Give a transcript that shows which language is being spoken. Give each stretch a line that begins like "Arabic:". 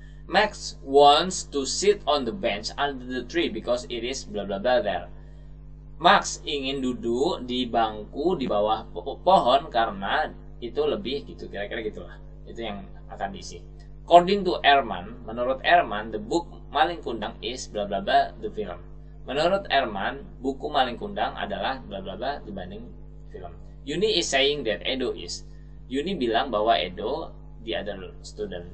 English: Max wants to sit on the bench under the tree because it is bla bla bla there.
Indonesian: Max ingin duduk di bangku di bawah pohon karena itu lebih gitu, kira-kira gitulah. Itu yang akan diisi.
English: According to Erman,
Indonesian: menurut Erman,
English: the book Maling Kundang is bla bla bla the film.
Indonesian: Menurut Erman, buku Maling Kundang adalah bla bla bla dibanding film.
English: Yuni is saying that Edo is.
Indonesian: Yuni bilang bahwa Edo
English: the other student.